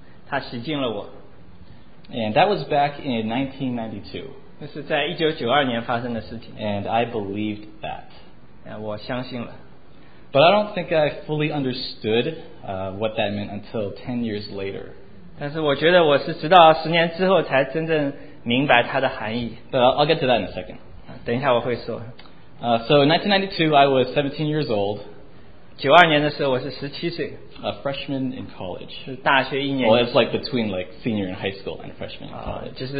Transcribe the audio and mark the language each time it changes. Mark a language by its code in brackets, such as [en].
[zh] 他洗净了我。 [en] And that was back in 1992. [zh] 那是在1992年发生的事情。 [en] And I believed that. [zh] 我相信了。 [en] But I don't think I fully understood what that meant until 10 years later. [zh] 但是我觉得我是直到10年之后才真正明白它的含义。 [en] But I'll get to that in a second. [zh] 等一下我会说。 [en] So in 1992, I was 17 years old. [zh] 92年的时候我是17岁。 [en] A freshman in college. [zh] 大学一年级。 [en] Well, it's like between like senior in high school and freshman in college.